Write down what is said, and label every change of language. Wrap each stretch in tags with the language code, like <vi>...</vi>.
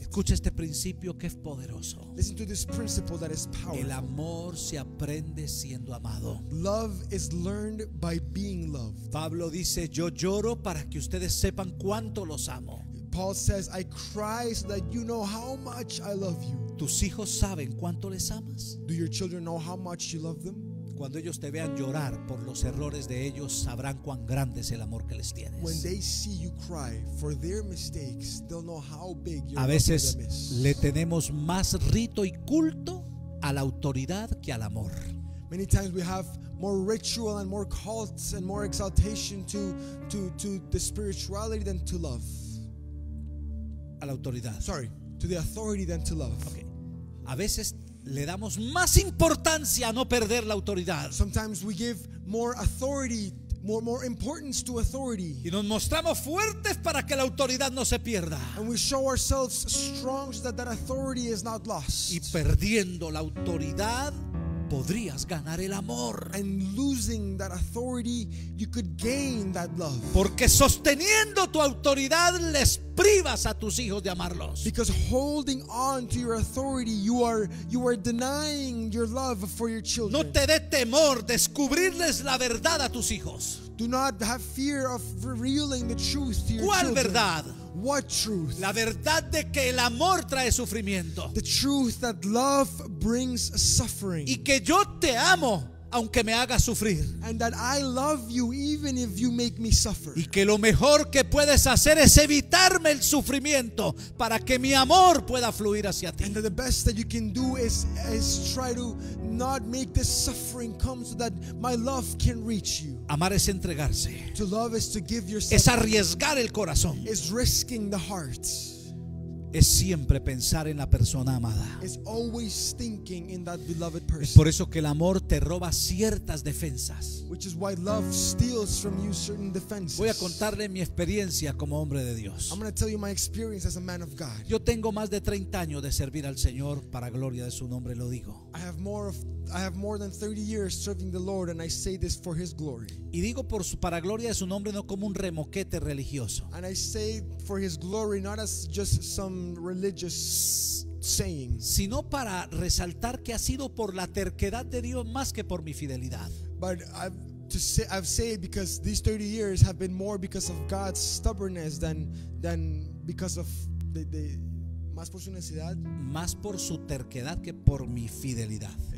<es>Escucha este principio que es poderoso.</es> <en>Listen to this principle that is powerful.</en> <es>El amor se aprende siendo amado.</es> <en>Love is learned by being loved.</en> <es>Pablo dice, yo lloro para que ustedes sepan cuánto los amo.</es> <en>Paul says, I cry so that you know how much I love you.</en> <es>¿Tus hijos saben cuánto les amas?</es> <en>Do your children know how much you love them?</en> <es>Cuando ellos te vean llorar por los errores de ellos, sabrán cuán grande es el amor que les tienes.</es> <en>When they see you cry for their mistakes, they'll know how big your love.</en> <es>A veces le tenemos más rito y culto a la autoridad que al amor.</es> <en>Many times we have more ritual and more cults and more exaltation to the spirituality than to love.</en> <es>A la autoridad.</es> <en>Sorry, to the authority than to love. Okay.</en> <es>A veces le damos más importancia a no perder la autoridad.</es> <en>Sometimes we give more authority, more importance to authority.</en> <es>Y nos mostramos fuertes para que la autoridad no se pierda.</es> <en>And we show ourselves strong so that authority is not lost.</en> <es>Y perdiendo la autoridad, podrías ganar el amor.</es> <en>And losing that authority, you could gain that love.</en> <es>Porque sosteniendo tu autoridad les privas a tus hijos de amarlos.</es> <en>Because holding on to your authority, you are denying your love for your children.</en> <es>No te dé temor descubrirles la verdad a tus hijos.</es> <en>Do not have fear of revealing the truth to your</en> <es>¿Cuál</es> <en>children?</en> <es>Verdad?</es> <en>What truth?</en> <es>La verdad de que el amor trae sufrimiento.</es> <en>The truth that love brings suffering.</en> <es>Y que yo te amo aunque me haga sufrir.</es> <en>And that I love you even if you make me suffer.</en> <es>Y que lo mejor que puedes hacer es evitarme el sufrimiento para que mi amor pueda fluir hacia ti.</es> <en>And that the best that you can do is try to not make this suffering come so that my love can reach you.</en> <es>Amar es entregarse.</es> <en>To love is to give yourself.</en> <es>Es arriesgar el corazón.</es> <en>Is risking the heart.</en> <es>Es siempre pensar en la persona amada.</es> <en>It's always thinking in that beloved person.</en> <es>Es por eso que el amor te roba ciertas defensas.</es> <en>Which is why love steals from you certain defenses.</en> <es>Voy a contarle mi experiencia como hombre de Dios.</es> <en>I'm going to tell you my experience as a man of God.</en> <es>Yo tengo más de 30 años de servir al Señor, para gloria de su nombre lo digo.</es> <en>I have more than 30 years serving the Lord, and I say this for His glory.</en> <es>Y digo por su, para gloria de su nombre, no como un remoquete religioso.</es> <en>And I say for His glory, not as just some religious saying.</en> <es>Sino para resaltar que ha sido por la terquedad de Dios más que por mi fidelidad.</es> <en>But I've said because these 30 years have been more because of God's stubbornness than because of the</en> <es>más por su necesidad. Más por su terquedad que por mi fidelidad.</es>